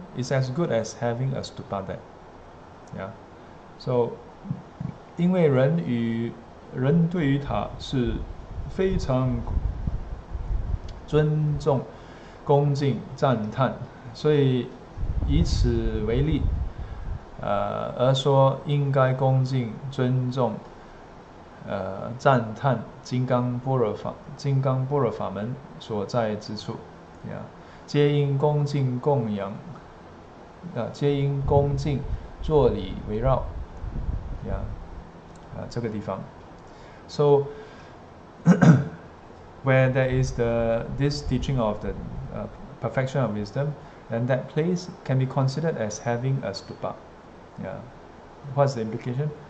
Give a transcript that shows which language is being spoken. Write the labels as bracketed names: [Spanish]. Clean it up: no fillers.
[English] It's as good as having a stupa there. [Chinese] Yeah, so 因为人对于塔是非常尊重、恭敬、赞叹，所以以此为例，而说应该恭敬、尊重、赞叹金刚般若法门所在之处，呀，皆应恭敬供养，皆应恭敬坐礼围绕，呀，这个地方 ，so 。 [English] Where there is this teaching of the perfection of wisdom, then that place can be considered as having a stupa. Yeah. What's the implication?